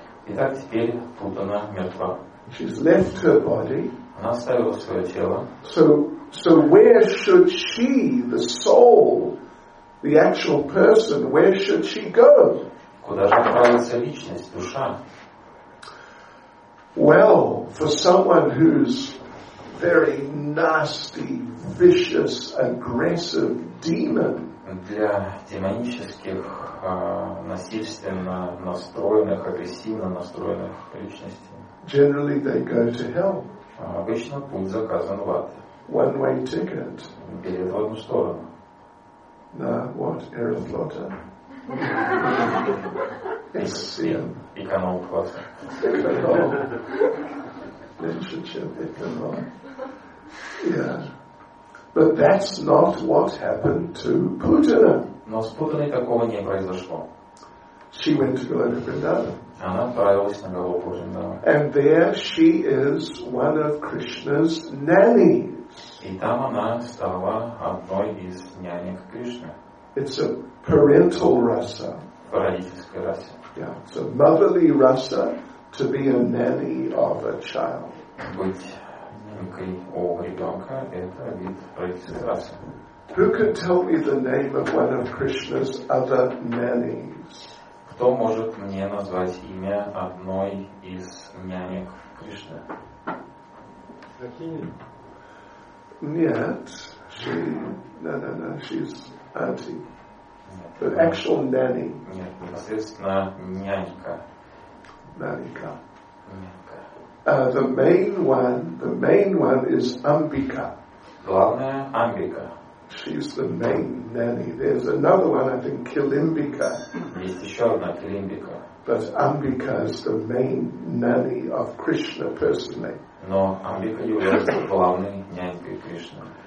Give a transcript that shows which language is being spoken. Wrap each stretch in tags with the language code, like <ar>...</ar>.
<ru>Итак, теперь Путана мертва.</ru> <en>She's left her body.</en> <ru>Она оставила свое тело.</ru> <en>So where should she, the soul, the actual person, where should she go?</en> <ru>Куда же отправится личность, душа?</ru> <en>Well, for someone who's very nasty, vicious, aggressive demon.</en> <ru>Для демонических, насильственно настроенных, агрессивно настроенных личностей.</ru> <en>Generally they go to hell.</en> <ru>Обычно путь заказан в ад.</ru> <en>One-way ticket.</en> <ru>Билет в одну сторону.</ru> <en>No, what? Aeroflotta.</en> <ru>SCM. Эконом класс. Эконом. Literature, эконом. Yeah.</ru> <en>But that's not what happened to Putana.</en> <ru>Но с Путаной такого не произошло.</ru> <en>She went to Goloka Vrindavan.</en> <ru>Она отправилась на Голоку Вриндаван.</ru> <en>And there she is one of Krishna's nannies.</en> <ru>И там она стала одной из нянек Кришны.</ru> <en>It's a parental rasa.</en> <ru>Родительская раса.</ru> <en>Yeah, it's a motherly rasa to be a nanny of a child.</en> <ru>Быть нянькой у ребенка – это вид родительской расы.</ru> <en>Who can tell me the name of one of Krishna's other nannies?</en> <ru>Кто может мне назвать имя одной из нянек Кришны? Нет,</ru> <en>she, no, she's auntie. The actual nanny.</en> <ru>Нет, непосредственно нянька. Нянька.</ru> <en>The main one is Ambika.</en> <ru>Главная Амбика.</ru> <en>She's the main nanny. There's another one, I think, Kilimbika.</en> <ru>Есть еще одна Kilimbika.</ru> <en>But Ambika is the main nanny of Krishna personally.</en> <ru>Но Амбика является главной нянькой Кришны.</ru>